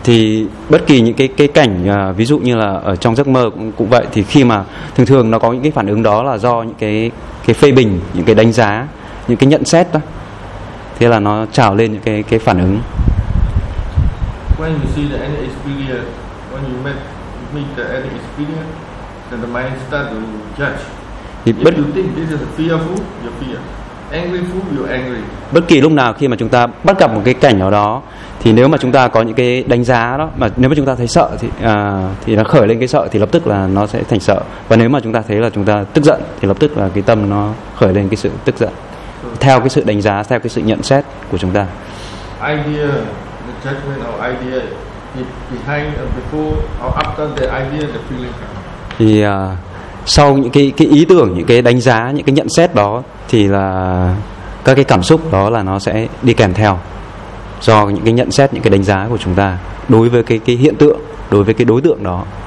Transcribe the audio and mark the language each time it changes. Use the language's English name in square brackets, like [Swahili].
[Vietnamese] Thì bất kỳ những cái cảnh ví dụ như là ở trong giấc mơ cũng vậy, thì khi mà thường thường nó có những cái phản ứng đó là do những cái phê bình, những cái đánh giá, những cái nhận xét đó, thế là nó trào lên những cái phản ứng. [English] When you see the any experience, when you meet the any experience, then the mind start to judge. If you think this is a fearful, you're fear. Angry food, you're angry. [Vietnamese] Bất kỳ lúc nào khi mà chúng ta bắt gặp một cái cảnh nào đó, thì nếu mà chúng ta có những cái đánh giá đó, mà nếu mà chúng ta thấy sợ thì nó khởi lên cái sợ thì lập tức là nó sẽ thành sợ. Và nếu mà chúng ta thấy là chúng ta tức giận thì lập tức là cái tâm nó khởi lên cái sự tức giận. So, theo cái sự đánh giá, theo cái sự nhận xét của chúng ta. [English] Idea. Judgment or idea behind or before or after the idea, the feeling. [Vietnamese] Thì sau những cái ý tưởng, những cái đánh giá, những cái nhận xét đó thì là các cái cảm xúc đó là nó sẽ đi kèm theo do những cái nhận xét, những cái đánh giá của chúng ta đối với cái hiện tượng, đối với cái đối tượng đó.